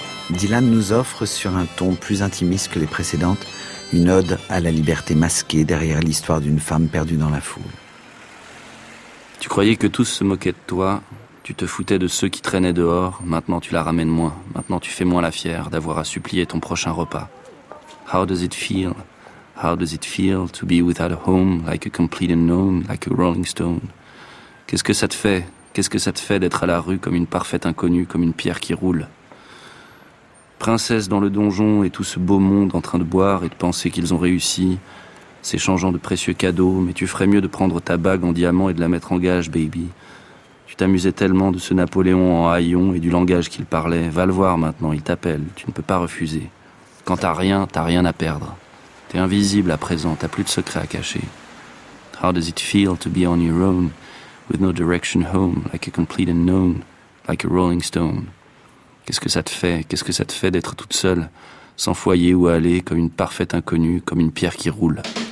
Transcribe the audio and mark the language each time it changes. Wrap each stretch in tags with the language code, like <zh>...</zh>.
<fr>Dylan nous offre, sur un ton plus intimiste que les précédentes, une ode à la liberté masquée derrière l'histoire d'une femme perdue dans la foule. Tu croyais que tous se moquaient de toi, tu te foutais de ceux qui traînaient dehors, maintenant tu la ramènes moins, maintenant tu fais moins la fière d'avoir à supplier ton prochain repas.</fr> <en>How does it feel? How does it feel to be without a home, like a complete unknown, like a rolling stone?</en> <fr>Qu'est-ce que ça te fait? Qu'est-ce que ça te fait d'être à la rue comme une parfaite inconnue, comme une pierre qui roule? Princesse dans le donjon et tout ce beau monde en train de boire et de penser qu'ils ont réussi, s'échangeant de précieux cadeaux, mais tu ferais mieux de prendre ta bague en diamant et de la mettre en gage, baby. Tu t'amusais tellement de ce Napoléon en haillons et du langage qu'il parlait. Va le voir maintenant, il t'appelle, tu ne peux pas refuser. Quand t'as rien à perdre. T'es invisible à présent, t'as plus de secrets à cacher.</fr> <en>How does it feel to be on your own, with no direction home, like a complete unknown, like a rolling stone?</en> <fr>Qu'est-ce que ça te fait? Qu'est-ce que ça te fait d'être toute seule, sans foyer où aller, comme une parfaite inconnue, comme une pierre qui roule?</fr>